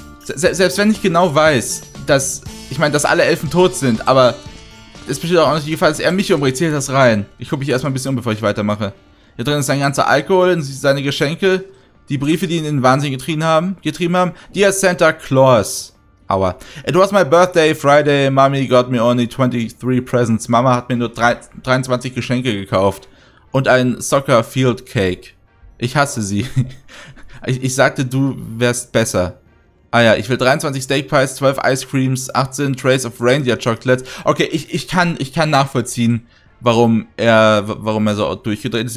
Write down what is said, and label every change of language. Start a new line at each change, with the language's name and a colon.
German: Selbst wenn ich genau weiß, dass... Ich meine, dass alle Elfen tot sind, aber... Es besteht auch noch die Gefahr, dass er mich umbringt. Zählt das rein. Ich gucke mich erstmal ein bisschen um, bevor ich weitermache. Hier drin ist sein ganzer Alkohol und seine Geschenke. Die Briefe, die ihn in den Wahnsinn getrieben haben.
English: Dear Santa Claus. Aua. It was my birthday Friday. Mommy got me only 23 presents.
German: Mama hat mir nur 23 Geschenke gekauft. Und ein Soccer Field Cake. Ich hasse sie. Ich sagte, du wärst besser. Ah ja, ich will 23 Steak Pies, 12 Ice Creams, 18 Trays of Reindeer Chocolate. Okay, ich kann nachvollziehen, warum er so durchgedreht ist.